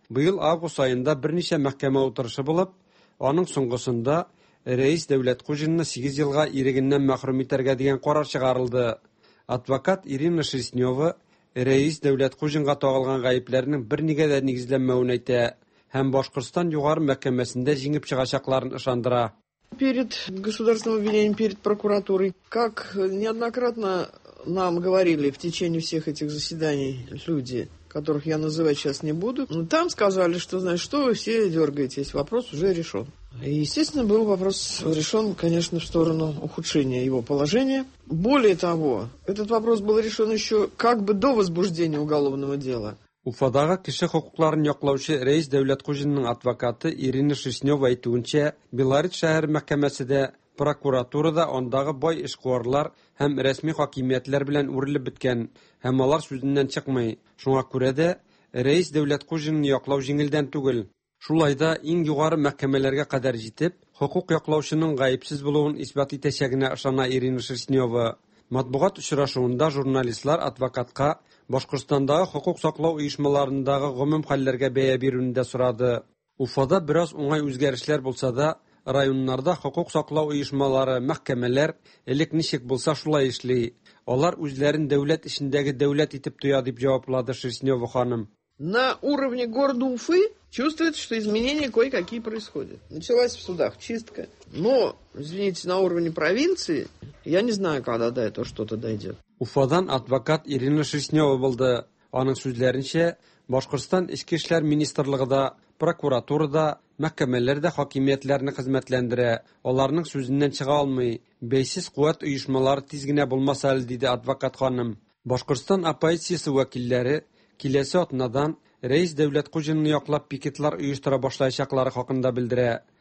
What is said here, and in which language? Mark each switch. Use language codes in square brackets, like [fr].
[tt] Быел август айында берничә мәхкәмә утырышы булып, аның соңгысында Рәис Дәүләт Хуҗинны 8 елга ирегеннән мәхрүм итәргә дигән карар чыгарылды. Адвокат Ирина Шеснева Рәис Дәүләт Хуҗинга тагылган гаепләрнең бернигә дә нигезләнмәвен әйтә һәм Башкортстан югары мәхкәмәсендә җиңеп чыгачакларын ышандыра. [ru] Перед государственным обвинением, перед прокуратурой, как неоднократно нам говорили в течение всех этих заседаний люди, которых я называть сейчас не буду, там сказали, что, значит, что вы все дергаетесь, вопрос уже решен. И, естественно, был вопрос решен, конечно, в сторону ухудшения его положения. Более того, этот вопрос был решен еще как бы до возбуждения уголовного дела. [tt] Уфадагы кеше хокукларын яклаучы Рәис Дәүләт Хуҗинның адвокаты Ирина Шеснева әйтүенчә, Белорет шәһәр мәхкәмәсе дә, прокуратура да андагы бай эшкуарлар һәм рәсми хакимиятләр белән үрелеп беткән һәм алар сүзеннән чыкмый. Шуңа күрә дә Рәис Дәүләт Хуҗинны яклау җиңелдән түгел. Шулай да иң югары мәхкәмәләргә кадәр җитеп, хокук яклаучының гаепсез булуын исбат итәчәгенә ышана Ирина Шеснева. Матбугат очрашуында журналистлар адвокатка Башкортстандагы хокук саклау оешмаларындагы гомум хәлләргә бәя бирүне дә сорады. Уфада бераз уңай үзгәрешләр булса да, районнарда хокук саклау оешмалары, мәхкәмәләр элек ничек булса шулай эшли. Алар үзләрен дәүләт эшендәге дәүләт итеп тоя дип җавапланды Шеснева ханым. [ru] на уровне города Уфы чувствуется, что изменения кое-какие происходят. Началась в судах чистка. Но, извините, на уровне провинции я не знаю, когда до этого что-то дойдет. [tt] Уфадан адвокат Ирина Шишнева была. Аның сүзләренчә, Башкортстан Ишке эшләр министрлыгы да, прокуратура да, мәхкәмәләр дә хакимиятләрне хезмәтләндерә. Аларның сүзеннән чыга алмый, бәйсез куәт оешмалары тиз генә булмас әле, диде адвокат ханым. Башкортстан оппозициясе вәкилләре киләсе атнадан рәис Дәүләтҡужинны яклап пикетлар оештыра башлаячаклары хакында белдерә.